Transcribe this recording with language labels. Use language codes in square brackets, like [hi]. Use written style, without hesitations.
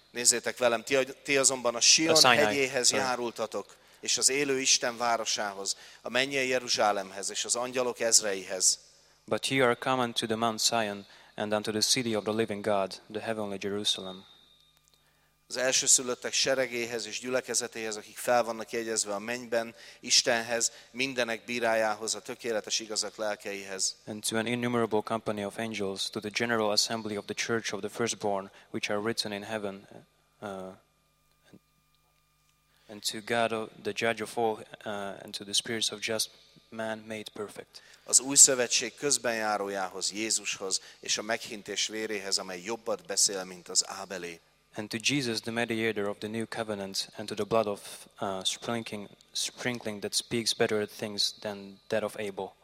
[hu] Nézzétek velem, ti azonban a Sion hegyéhez járultatok, és az élő Isten városához, a mennyei Jeruzsálemhez, és az angyalok ezreihez. [en] But you are come unto the Mount Zion, and unto the city of the living God, the heavenly Jerusalem. [hu] az elsőszülöttek seregéhez és gyülekezetéhez, akik fel vannak jegyezve a mennyben, Istenhez, mindenek bírájához, a tökéletes igazak lelkeihez. [en] And to an innumerable company of angels, to the general assembly of the church of the firstborn, which are written in heaven, and to God, the judge of all, and to the spirits of just man made perfect. [hu] Az új szövetség közbenjárójához, Jézushoz, és a meghintés véréhez, amely jobbat beszél, mint az Ábelé. [en] And to Jesus, the mediator of the new covenant, and to the blood of sprinkling that speaks better things than that of Abel.